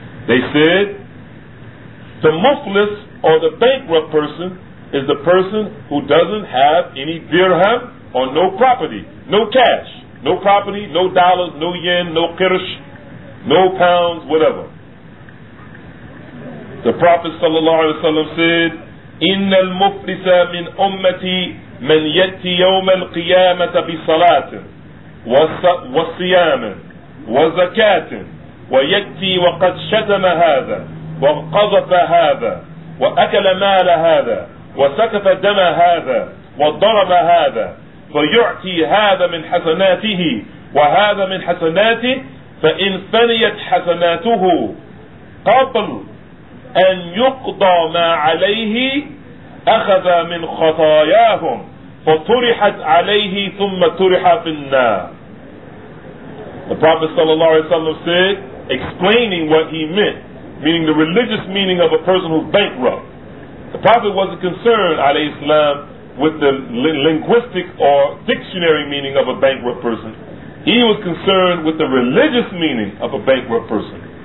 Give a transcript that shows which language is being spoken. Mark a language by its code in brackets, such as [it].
[en] They said, the muflis, or the bankrupt person, is the person who doesn't have any dirham or no property, no cash, no property, no dollars, no yen, no kirsh, no pounds, whatever. The Prophet sallallahu alayhi wa sallam said, [ar] إِنَّ الْمُفْلِسَ مِنْ أُمَّتِي مَنْ يَتِّي يَوْمَ الْقِيَامَةَ بِصَلَاةٍ وَصِيَامٍ وَزَكَاةٍ وَيَتِّي وَقَدْ شَتَمَ هَذَا وَقَذَفَ هَذَا وَأَكَلَ مَالَ هَذَا وَسَكَفَ دَمَ هَذَا وَضَرَبَ هَذَا فَيُعْتِي هَذَا مِنْ حَسَنَاتِهِ وَهَذَا مِنْ حَسَنَاتِهِ فَإِنْ فَنِيَتْ حَسَنَاتُهُ قَبْلُ أَنْ يُقْضَى مَا عَلَيْهِ أَخَذَ مِنْ خَطَايَاهُمْ فَطُرِحَتْ عَلَيْهِ ثُمَّ تُرِحَ فِي النَّارِ. [en] The Prophet sallallahu alayhi wa sallam said, explaining what he meant, meaning the religious meaning of a person who's bankrupt. The Prophet wasn't concerned, alayhi salam, with the linguistic or dictionary meaning of a bankrupt person. He was concerned with the religious meaning of a bankrupt person.